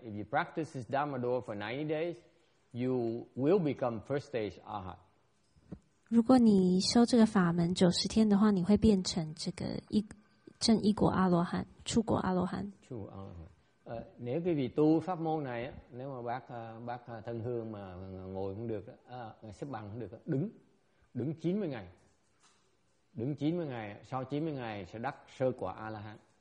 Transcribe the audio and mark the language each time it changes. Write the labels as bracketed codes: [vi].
[en] If you practice this Dharma Door for 90 days, you will become first stage Arhat. [zh] 如果你修这个法门九十天的话，你会变成这个正一果阿罗汉，初果阿罗汉。初阿罗汉。 [vi] Nếu quý vị tu pháp môn này, nếu mà bác thân hương mà ngồi không được, xếp bằng không được, đứng 90 ngày. Đứng 90 ngày, sau 90 ngày sẽ đắc sơ quả A-la-hán.